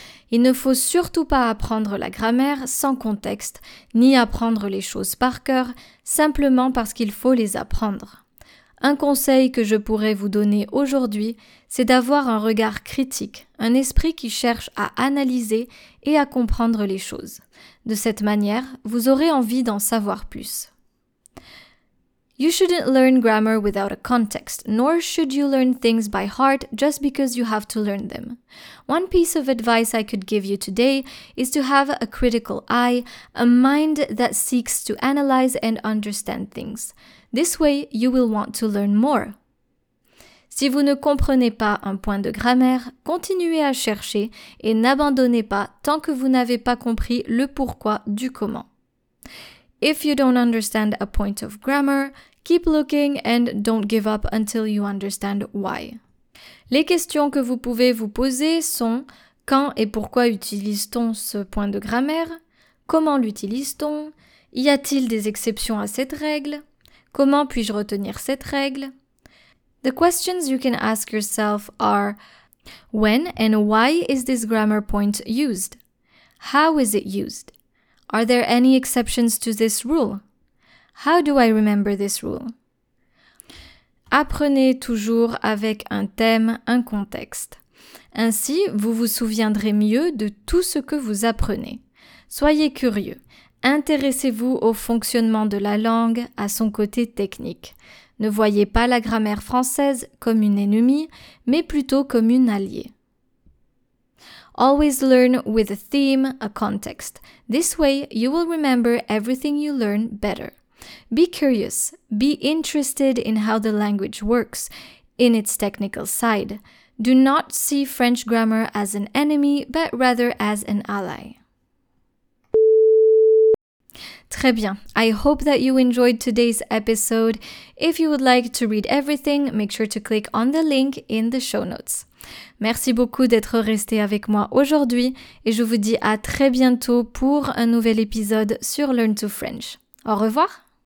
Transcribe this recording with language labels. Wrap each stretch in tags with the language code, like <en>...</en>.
<fr>Il ne faut surtout pas apprendre la grammaire sans contexte, ni apprendre les choses par cœur, simplement parce qu'il faut les apprendre. Un conseil que je pourrais vous donner aujourd'hui, c'est d'avoir un regard critique, un esprit qui cherche à analyser et à comprendre les choses. De cette manière, vous aurez envie d'en savoir plus.</fr> <en>You shouldn't learn grammar without a context, nor should you learn things by heart just because you have to learn them. One piece of advice I could give you today is to have a critical eye, a mind that seeks to analyze and understand things. This way, you will want to learn more.</en> <fr>Si vous ne comprenez pas un point de grammaire, continuez à chercher et n'abandonnez pas tant que vous n'avez pas compris le pourquoi du comment.</fr> <en>If you don't understand a point of grammar, keep looking and don't give up until you understand why.</en> <fr>Les questions que vous pouvez vous poser sont: quand et pourquoi utilise-t-on ce point de grammaire? Comment l'utilise-t-on? Y a-t-il des exceptions à cette règle? Comment puis-je retenir cette règle?</fr> <en>The questions you can ask yourself are: when and why is this grammar point used? How is it used? Are there any exceptions to this rule? How do I remember this rule?</en> <fr>Apprenez toujours avec un thème, un contexte. Ainsi, vous vous souviendrez mieux de tout ce que vous apprenez. Soyez curieux. Intéressez-vous au fonctionnement de la langue, à son côté technique. Ne voyez pas la grammaire française comme une ennemie, mais plutôt comme une alliée.</fr> <en>Always learn with a theme, a context. This way, you will remember everything you learn better. Be curious. Be interested in how the language works, in its technical side. Do not see French grammar as an enemy, but rather as an ally.</en> <fr>Très bien.</fr> <en>I hope that you enjoyed today's episode. If you would like to read everything, make sure to click on the link in the show notes.</en> <fr>Merci beaucoup d'être resté avec moi aujourd'hui et je vous dis à très bientôt pour un nouvel épisode sur Learn to French. Au revoir.</fr>